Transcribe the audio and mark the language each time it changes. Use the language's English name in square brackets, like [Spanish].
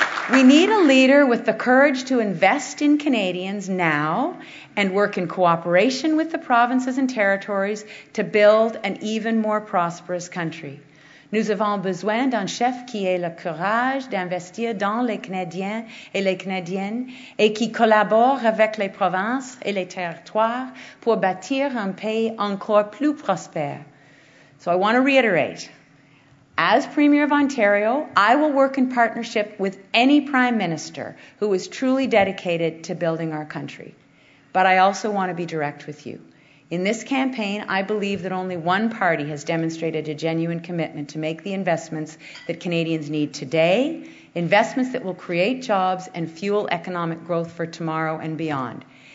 [English] We need a leader with the courage to invest in Canadians now and work in cooperation with the provinces and territories to build an even more prosperous country. [French] Nous avons besoin d'un chef qui ait le courage d'investir dans les Canadiens et les Canadiennes et qui collabore avec les provinces et les territoires pour bâtir un pays encore plus prospère. [English] So I want to reiterate. As Premier of Ontario, I will work in partnership with any Prime Minister who is truly dedicated to building our country. But I also want to be direct with you. In this campaign, I believe that only one party has demonstrated a genuine commitment to make the investments that Canadians need today, investments that will create jobs and fuel economic growth for tomorrow and beyond.